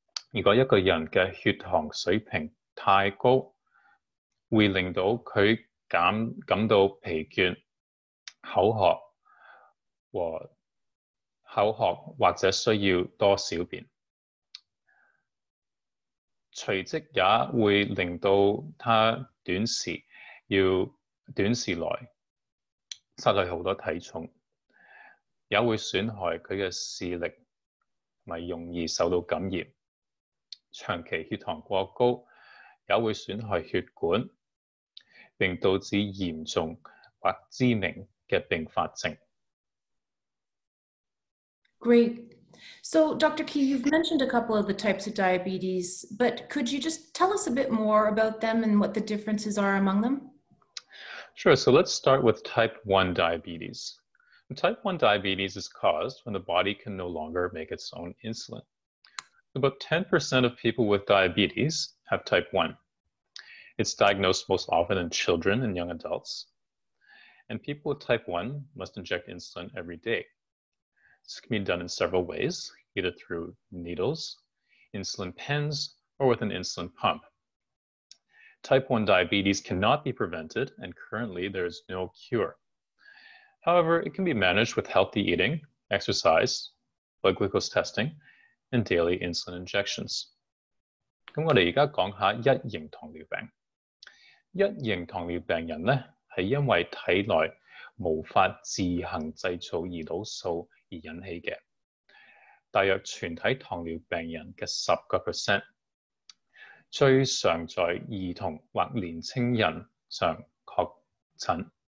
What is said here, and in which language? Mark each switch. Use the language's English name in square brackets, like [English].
[Cantonese] 如果一个人的血糖水平太高，会令到他感到疲倦、口渴或者需要多小便，随即也会令到他短时来失去很多体重，也会损害他的视力，容易受到感染。长期血糖过高也会损害血管，并导致严重或致命的并发症。 [English] Great. So, Dr. Key, you've mentioned a couple of the types of diabetes, but could you just tell us a bit more about them and what the differences are among them? Sure. So let's start with type 1 diabetes. Type 1 diabetes is caused when the body can no longer make its own insulin. About 10% of people with diabetes have type 1. It's diagnosed most often in children and young adults. And people with type 1 must inject insulin every day. This can be done in several ways, either through needles, insulin pens, or with an insulin pump. Type 1 diabetes cannot be prevented, and currently there is no cure. However, it can be managed with healthy eating, exercise, blood glucose testing, and daily insulin injections. [Cantonese] 咁我哋而家讲下一型糖尿病。一型糖尿病人呢，系因为体内无法自行制造胰岛素而引起的，大约全体糖尿病人的 10%， 最常在儿童或年轻人上确诊。